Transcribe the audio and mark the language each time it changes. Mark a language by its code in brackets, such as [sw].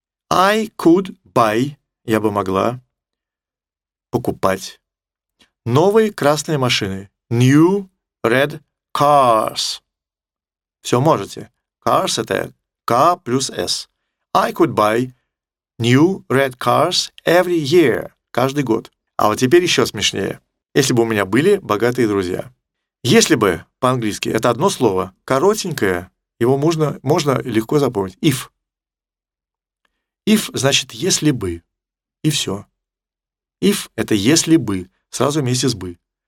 [en] I could buy, [ru] я бы могла покупать новые красные машины. [en] New red cars. [ru] Все можете. [en] Cars — [ru] это K плюс S. [en] I could buy new red cars every year. [ru] Каждый год. А вот теперь еще смешнее. Если бы у меня были богатые друзья. Если бы, по-английски, это одно слово, коротенькое, его можно легко запомнить. [en] If. [ru] If значит если бы. И все. If — это если бы. Сразу вместе с бы.